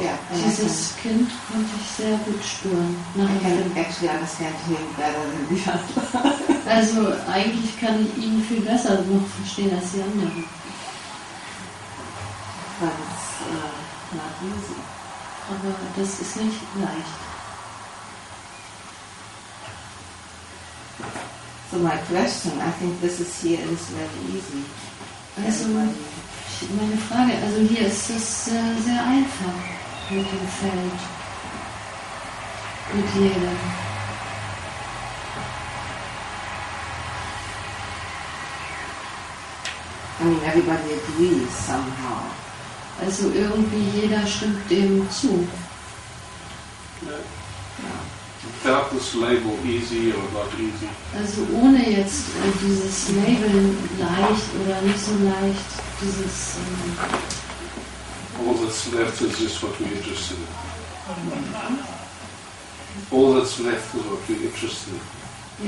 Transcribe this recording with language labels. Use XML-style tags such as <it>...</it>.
<de>Yeah, dieses Kind konnte ich sehr gut spüren.</de> <en>I can actually understand him better than the other.</en> <de>Also eigentlich kann ich ihn viel besser noch verstehen als die anderen.</de> <en>But it's not easy.</en> <de>Aber das ist nicht leicht.</de> <en>So my question, I think this is here is very easy.</en> <de>Also meine Frage, also hier ist es sehr einfach mit dem Feld, mit jedem.</de> <en>I mean, everybody agrees somehow.</en> <de>Also irgendwie jeder stimmt dem zu.</de> <en>Yeah. Yeah. Without this label, easy or not easy?</en> <de>Also ohne jetzt dieses Label, leicht oder nicht so leicht, dieses...</de> <en>All that's left is just what we're interested in. All that's left is what we're interested in.</en>